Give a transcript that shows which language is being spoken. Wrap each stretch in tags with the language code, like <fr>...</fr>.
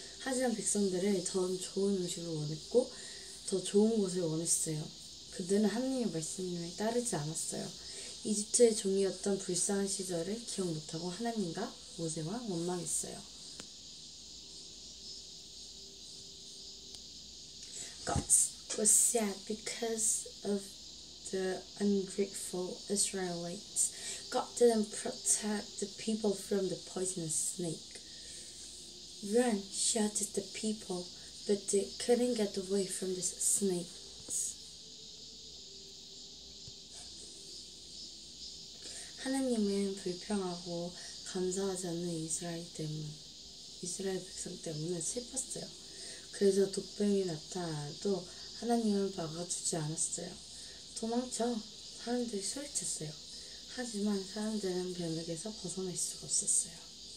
<ko>하지만 백성들은 더 좋은 음식을 원했고 더 좋은 곳을 원했어요. 그들은 하나님의 말씀을 따르지 않았어요. 이집트의 종이었던 불쌍한 시절을 기억 못하고 하나님과 모세와 원망했어요.</ko> <en>God was sad because of the ungrateful Israelites. God didn't protect the people from the poisonous snake. Run, shouted the people, but they couldn't get away from the snakes.</en> <ko>하나님은 불평하고 감사하지 않는 이스라엘 백성 때문에 슬펐어요. 그래서 독뱀이 나타나도 하나님은 막아주지 않았어요. 도망쳐 사람들이 술을 쳤어요. 하지만 사람들은 벼룩에서 벗어날 수가 없었어요.</ko>